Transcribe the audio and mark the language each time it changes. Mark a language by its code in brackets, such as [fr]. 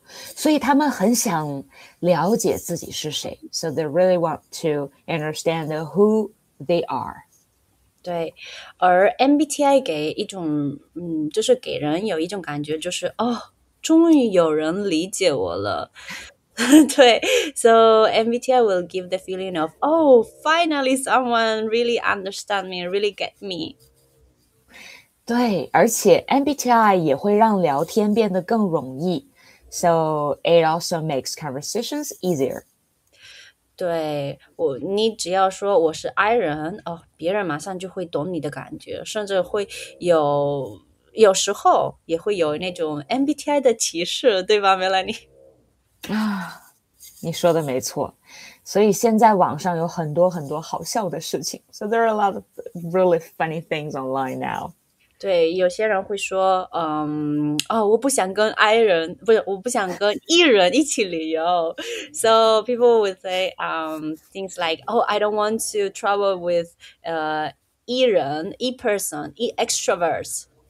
[zh] 所以他们很想了解自己是谁。 [en] So they really want to understand who they are. [zh] 对，而 MBTI 给一种，就是给人有一种感觉，就是哦，终于有人理解我了。 [en] 对 ，So MBTI will give the feeling of, oh, finally someone really understand me, really get me. [zh] 对，而且 MBTI 也会让聊天变得更容易 ， [en] So it also makes conversations easier. [zh] 对我，你只要说我是 I 人哦，别人马上就会懂你的感觉，甚至会有时候也会有那种 MBTI 的歧视，对吧 ，Melanie？啊，你说的没错。所以现在网上有很多很多好笑的事情 ， [en] So there are a lot of really funny things online now。 [zh] 对，有些人会说，我不想跟 I 人，不是，我不想跟 E 人一起旅游。 [en] So people would say, things like, oh, I don't want to travel with, E 人 ，E person, E extroverts.